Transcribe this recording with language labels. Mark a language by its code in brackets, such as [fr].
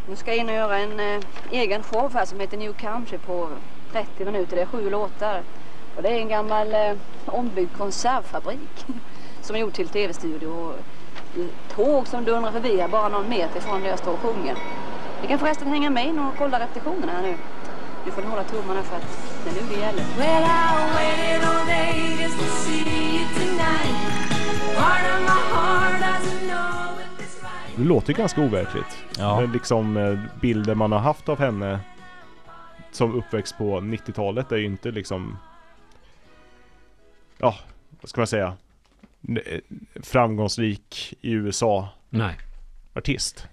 [sv] Nu ska jag in och göra en egen show här som heter New Country på 30 minuter. Det är 7 låtar. Och det är en gammal ombyggd konservfabrik som är gjort till tv-studio. Och tåg som dundrar förbi är bara någon meter från där jag står och sjunger. Vi kan förresten hänga med in och kolla repetitionerna här nu. Nu får ni hålla tummarna för att det är nu det gäller. [en] Well, I waited all day just to see you tonight. Part of my heart doesn't know that it's right. [sv] Det låter ganska overkligt. Ja. Det är liksom bilder man har haft av henne som uppväxt på 90-talet är ju inte liksom, ja, vad ska man säga, framgångsrik i USA. Nej. artist.